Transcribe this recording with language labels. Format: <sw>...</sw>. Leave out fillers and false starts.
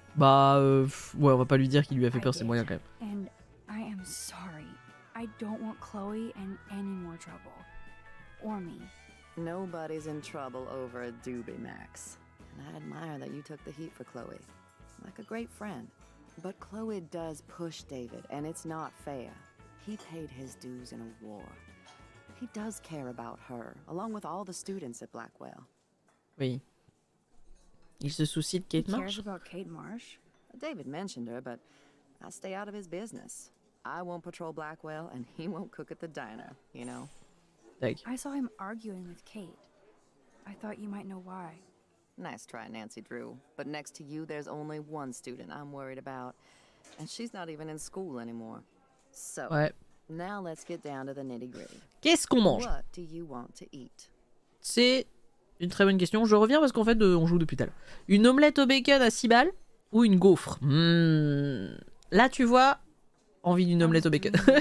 <fr>Bah, ouais, on va pas lui dire qu'il lui a fait peur, c'est moyen quand même.</fr> <en>And I am sorry. I don't want Chloe in any more trouble. Or me. Nobody's in trouble over a doobie, Max. And I admire that you took the heat for Chloe. Like a great friend. But Chloe does push David, and it's not fair. He paid his dues in a war. He does care about her, along with all the students at Blackwell.</en> <fr>Oui. Il se soucie de Kate Marsh?</fr> <en>He cares about Kate Marsh? David mentioned her, but I stay out of his business. I won't patrol Blackwell, and he won't cook at the diner, you know? Thank you. I saw him arguing with Kate. I thought you might know why. Nice try, Nancy Drew. But next to you, there's only one student I'm worried about. And she's not even in school anymore. So,</en> <fr>ouais.</fr> <en>Now let's get down to the nitty-gritty.</en> <fr>Qu'est-ce qu'on mange?</fr> <en>What do you want to eat?</en> <fr>C'est une très bonne question. Je reviens parce qu'en fait, on joue depuis tout à l'heure. Une omelette au bacon à 6 balles ou une gaufre? Là, tu vois, envie d'une omelette au bacon.</fr>